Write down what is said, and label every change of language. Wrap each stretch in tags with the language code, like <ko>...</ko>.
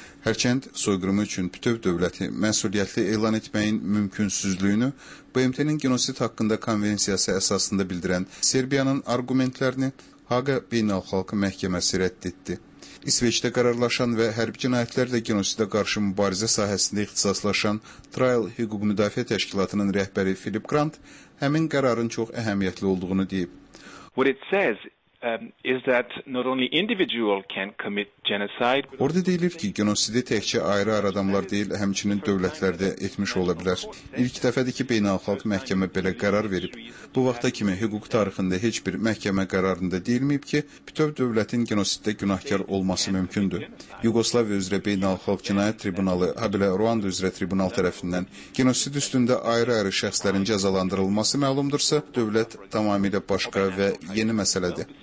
<az>Hərçənd soyqırımı üçün bütöv dövləti məsuliyyətli elan etməyin mümkünsüzlüyünü BMT-nin genosid haqqında konvensiyası əsasında bildirən Serbiyanın argumentlərini Haqqı Beynəlxalq Məhkəməsi rədd etdi. İsveçdə qərarlaşan və hərbi cinayətlərlə genosidə qarşı mübarizə sahəsində ixtisaslaşan Trial Hüquq Müdafiə Təşkilatının rəhbəri Filip Grant həmin qərarın çox əhəmiyyətli olduğunu deyib.</az> <en>What it says is that not only individual can commit genocide.</en> <az>Orada deyilir ki, genosidi təkcə ayrı-ayrı adamlar deyil, həmçinin dövlətlərdə etmiş ola bilər. İlk dəfədir ki, beynəlxalq məhkəmə belə qərar verib. Bu vaxta kimi hüquq tarixində heç bir məhkəmə qərarında deyilməyib ki, bütöv dövlətin genosiddə günahkar olması mümkündür. Yugoslaviya üzrə beynəlxalq cinayət tribunalı, habelə Ruanda üzrə tribunal tərəfindən genosid üstündə ayrı-ayrı şəxslərin cəzalandırılması məlumdursa, dövlət tamamilə başqa və yeni məsələdir.</az>